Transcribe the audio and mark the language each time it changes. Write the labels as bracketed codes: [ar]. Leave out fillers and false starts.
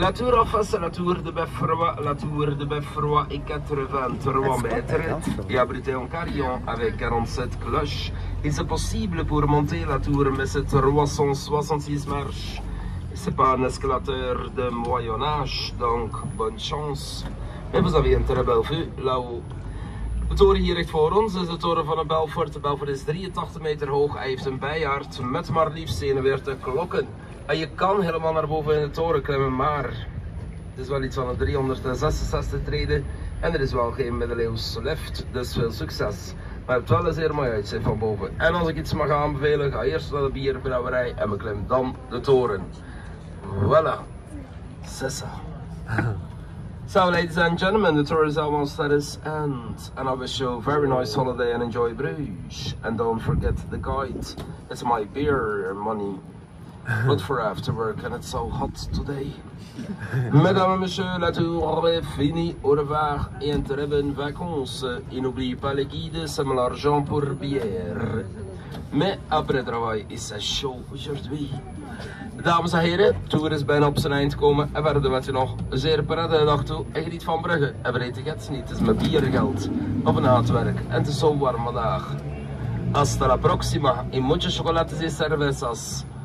[fr] La tour en face, la tour de Beffroi, la tour de Beffroi et 83 mètres et abrité en carillon avec 47 cloches. Et c'est possible pour monter la tour, mais c'est 366 marches. C'est pas un escalateur de Moyen-Âge, donc bonne chance. Mais vous avez une très belle vue là-haut. [nl] De toren hier recht voor ons is de toren van de Belfort. De Belfort is 83 meter hoog. Hij heeft een bijaard met maar liefst 41 klokken. En je kan helemaal naar boven in de toren klimmen, maar het is wel iets van een 366 treden. En er is wel geen middeleeuws lift, dus veel succes. Maar het wel een zeer mooi uitzicht van boven. En als ik iets mag aanbevelen, ga eerst naar de bierbrouwerij en beklim dan de toren. [fr] Voilà, c'est ça. [en] So, ladies and gentlemen, the tour is almost at its end. And I wish you a very nice holiday and enjoy Bruges. And don't forget the guide. It's my beer money. Good for after work, and it's so hot today. [fr] Mesdames et messieurs, la tour est finie. Au revoir et en très bonnes vacances. Et n'oubliez pas les guides, c'est mon argent pour bière. Mais après travail, il est chaud aujourd'hui. [nl] Dames en heren, de tour is bijna op zijn eind gekomen en verder met u nog een zeer prettige dag toe. En geniet van Brugge en vergeet het niet, het is mijn bierengeld of een haatwerk en het is zo'n warme dag. [es] Hasta la próxima y muchas chocolates y cervezas.